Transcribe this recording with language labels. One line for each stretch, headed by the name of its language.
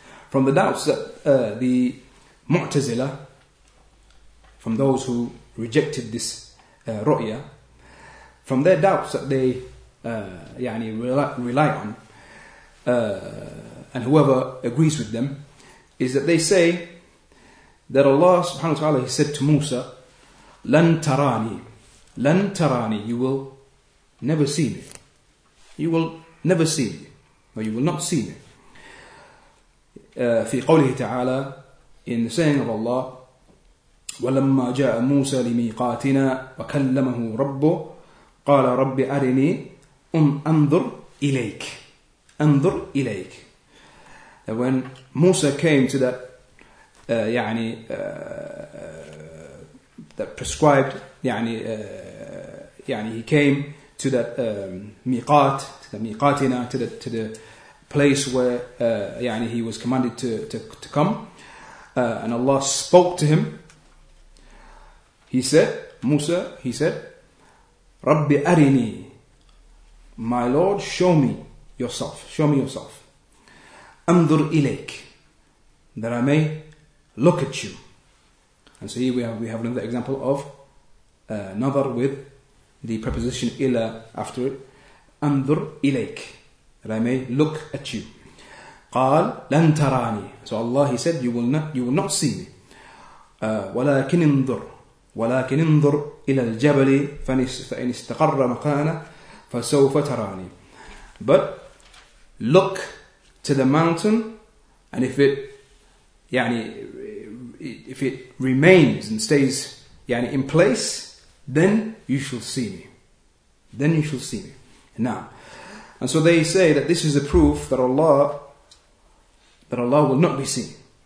English: From the doubts that the Mu'tazila, from those who rejected this ru'ya, from their doubts that they يعني, rely on, and whoever agrees with them, is that they say that Allah subhanahu wa ta'ala, he said to Musa,
Arabic: Lan tarani,
English: you will never see me. You will never see me, or you will not see me.
Arabic: في قوله تعالى,
English: in the saying of Allah,
Arabic: ولما جاء موسى لميقاتنا وكلمه ربه قال رب أرني أنظر إليك.
English: And when Musa came to that, that prescribed, he came to that miqat, to the miqatina, to the place where he was commanded to come, and Allah spoke to him. He said, Musa, he said,
Arabic: Rabbi arini,
English: my Lord, show me yourself, show me yourself.
Arabic: Andur ilayk,
English: that I may look at you. And so here we have another example of nadar with the preposition ila after it.
Arabic: Andur ilayk,
English: that I may look at you.
Arabic: Qal lan tarani.
English: So Allah, he said, you will not see me.
Arabic: Walakin indur. ولكن انظر إلى الجبل فإن استقر مكانه فسوف تراني.
English: But look to the mountain, and if it, يعني, if it remains and stays, يعني, in place, then you shall see me. Then you shall see me. Now, and so they say that this is a proof that Allah will not be seen.